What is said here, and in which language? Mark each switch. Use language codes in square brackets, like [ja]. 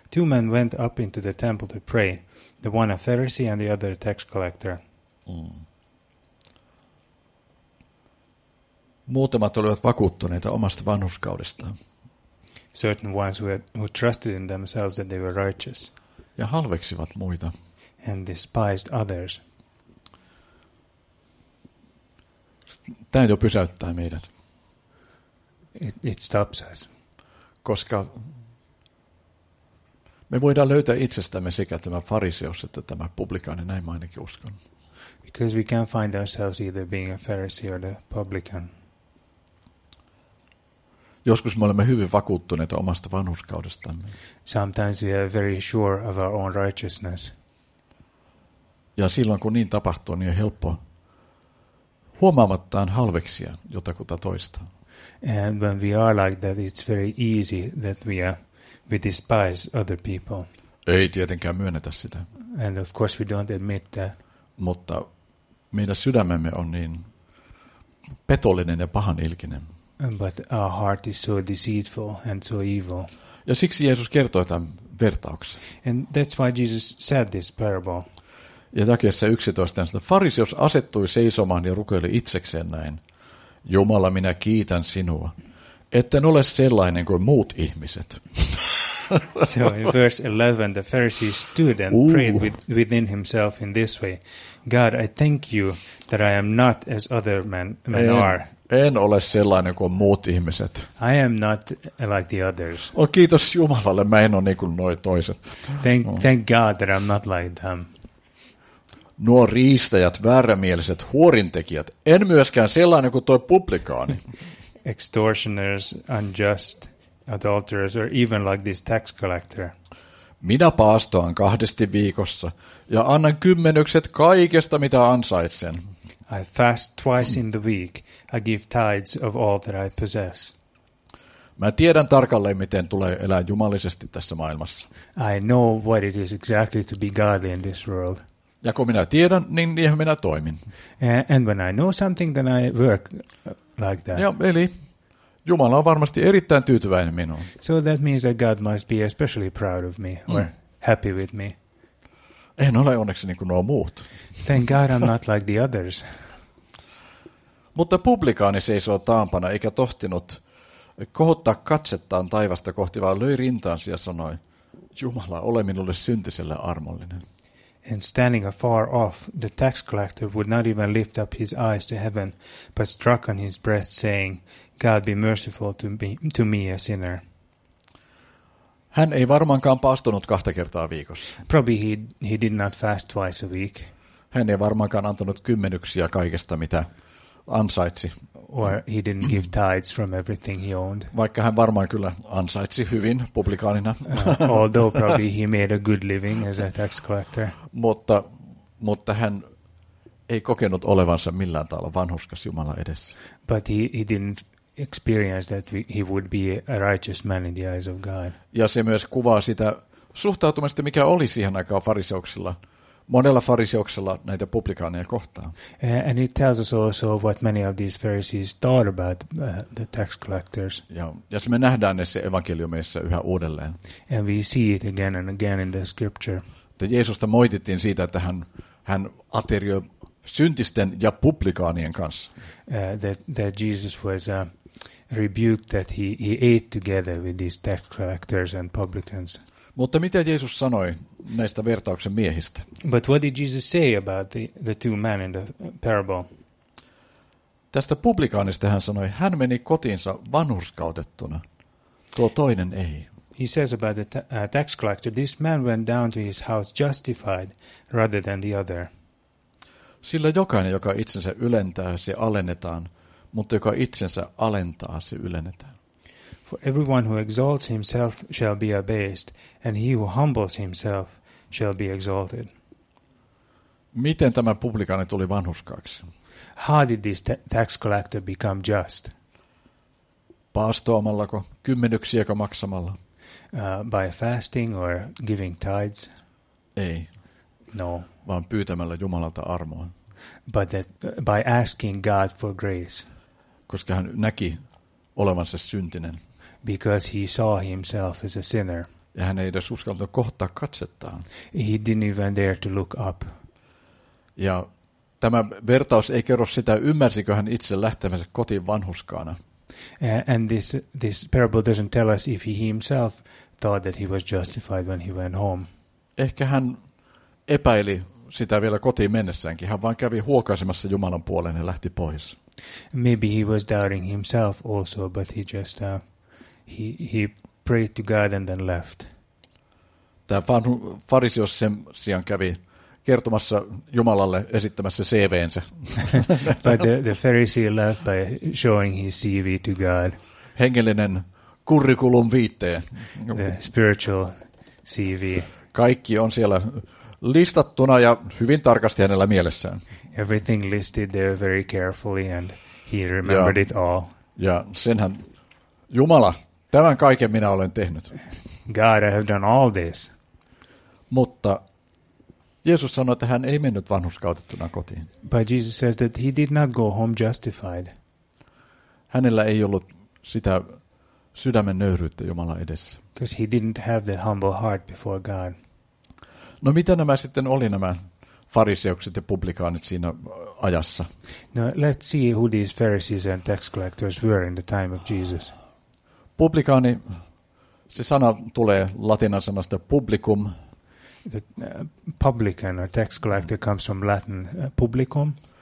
[en] Two men went up into the temple to pray, the one a Pharisee and the other a tax collector. [fi] Muutamat olivat vakuuttuneita omasta vanhurskaudestaan. [en] Certain ones who trusted in themselves that they were righteous. [fi] Ja halveksivat muita. [en] And despised others. [fi] Tämä jo pysäyttää meidät. [en] It stops us. [fi] Koska me voidaan löytää itsestämme sekä tämä fariseus että tämä publikaani, näin mä ainakin uskon. [en] Because we can find ourselves either being a Pharisee or a publican. [fi] Joskus me olemme hyvin vakuuttuneita omasta vanhurskaudestamme. [en] Sometimes we are very sure of our own righteousness. [fi] Ja silloin, kun niin tapahtuu, niin on helppo huomaamattaan halveksia jotakuta toista. [en] And when we are like that, it's very easy that we despise other people. [fi] Ei tietenkään myönnetä sitä. [en] And of course we don't admit that. [fi] Mutta meidän sydämemme on niin petollinen ja pahan ilkinen. [en] But our heart is so deceitful and so evil. [fi] Ja siksi Jeesus kertoi tämän vertauksen. [en] And that's why Jesus said this parable. [fi] Ja jakeessa 11, että fariseus asettui seisomaan ja rukoili itsekseen näin. Jumala, minä kiitän sinua, etten ole sellainen kuin muut ihmiset. [en] So in verse 11, the Pharisee stood and prayed within himself in this way. God, I thank you that I am not as other men are. [fi] En ole sellainen kuin muut ihmiset. [en] I am not like the others. [fi] Oh, kiitos Jumalalle, mä en ole niin kuin noi toiset. [en] Thank God that I'm not like them. [fi] Nuo riistäjät, väärämieliset, huorintekijät, en myöskään sellainen kuin tuo publikaani. [en] Extortioners, unjust, adulterers, or even like this tax collector. [fi] Minä paastoan kahdesti viikossa ja annan kymmenykset kaikesta, mitä ansaitsen. [en] I fast twice in the week. I give tithes of all that I possess. [fi] Mä tiedän tarkalleen, miten tulee elää jumalisesti tässä maailmassa. [en] I know what it is exactly to be godly in this world. [fi] Ja kun minä tiedän, niin ihan minä toimin. [en] And when I know something, then I work like that. [fi] Ja, eli Jumala on varmasti erittäin tyytyväinen minuun. [en] So that means that God must be especially proud of me, or happy with me. [fi] En ole onneksi niin kuin nuo muut. [en] Thank God I'm not like the others. [fi] Mutta publikaani seisoo taampana eikä tohtinut kohottaa katsettaan taivasta kohti, vaan löi rintaansa ja sanoi, Jumala, ole minulle syntiselle armollinen. [en] And standing afar off, the tax collector would not even lift up his eyes to heaven, but struck on his breast, saying, God be merciful to me, a sinner. [fi] Hän ei varmaankaan paastunut kahta kertaa viikossa. [en] Probably he did not fast twice a week. [fi] Hän ei varmaankaan antanut kymmenyksiä kaikesta, mitä ansaitsi. [en] Or he didn't give tithes from everything he owned. [fi] Vaikka hän varmaan kyllä ansaitsi hyvin publikaanina. [en] Although probably he made a good living as a tax collector. [fi] Mutta hän ei kokenut olevansa millään tavalla vanhuskas Jumala edessä. [en] But he didn't experience that he would be a righteous man in the eyes of God. [fi] Ja se myös kuvaa sitä suhtautumista, mikä oli siihen aikaan fariseuksilla. Monella fariseuksella näitä publikaaneja kohtaan. [en] And it tells us also what many of these Pharisees thought about the tax collectors. [fi] Ja se me nähdään ne se evankeliumeissa yhä uudelleen. [en] And we see it again and again in the scripture. [fi] Että Jeesusta moitittiin siitä, että hän aterioi syntisten ja publikaanien kanssa. [en] That Jesus was rebuked that he ate together with these tax collectors and publicans. [fi] Mutta mitä Jeesus sanoi näistä vertauksen miehistä? [en] But what did Jesus say about the two men in the parable? [fi] Tästä publikaanista hän sanoi, hän meni kotiinsa vanhurskautettuna, tuo toinen ei. [en] He says about the tax collector, this man went down to his house justified rather than the other. [fi] Sillä jokainen, joka itsensä ylentää, se alennetaan, mutta joka itsensä alentaa, se ylennetään. [en] For everyone who exalts himself shall be abased, and he who humbles himself shall be exalted. [fi] Miten tämä publikaani tuli vanhurskaaksi? [en] How did this tax collector become just? [fi] Paastoamallako, kymmenyksiäkö maksamalla? [en] By fasting or giving tithes? [fi] Ei. [en] No. [fi] Vaan pyytämällä Jumalalta armoa. [en] But that, by asking God for grace. [fi] Koska hän näki olevansa syntinen. [en] Because he saw himself as a sinner. [fi] Ja hän ei edes uskaltanut kohtaa katsettaan. [en] He didn't even dare to look up. [fi] Ja tämä vertaus ei kerro sitä, ymmärsikö hän itse lähtemänsä kotiin vanhuskaana. [en] And this parable doesn't tell us if he himself thought that he was justified when he went home. [fi] Ehkä hän epäili sitä vielä kotiin mennessäänkin. Hän vaan kävi huokaisemassa Jumalan puoleen ja lähti pois. [en] Maybe he was doubting himself also, but he just... He prayed to God and then left. [fi] Tämä farisios sen sijaan kävi kertomassa Jumalalle esittämässä CV:nsä. [en] But the Pharisee left by showing his CV to God. [fi] Hengellinen curriculum vitae. [en] The spiritual CV. [fi] Kaikki on siellä listattuna ja hyvin tarkasti hänellä mielessään. [en] Everything listed there very carefully and he remembered it all. [fi] Ja senhän Jumala. Tämän kaiken minä olen tehnyt. [en] God, I have done all this. [fi] Mutta Jeesus sanoi, että hän ei mennyt vanhurskautettuna kotiin. [en] But Jesus says that he did not go home justified. [fi] Hänellä ei ollut sitä sydämen nöyryyttä Jumalan edessä. [en] Because he didn't have the humble heart before God. [fi] No mitä nämä sitten oli nämä fariseukset ja publikaanit siinä ajassa? [en] Now let's see who these Pharisees and tax collectors were in the time of Jesus. [fi] Publikaani, se sana tulee latinan sanasta publicum. [en] The publican or tax collector comes from Latin publicum.